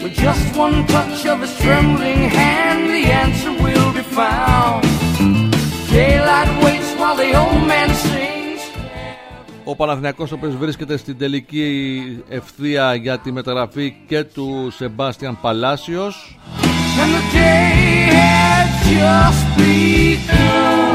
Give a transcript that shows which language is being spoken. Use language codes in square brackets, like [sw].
[en] Just one touch of his trembling hand, the answer will be found. Daylight waits while the old man sings. [el] Ο Παναθηναϊκός, ο οποίος βρίσκεται στην τελική ευθεία για τη μεταγραφή και του Σεμπάστιαν Παλάσιος. [en] And the day had just begun.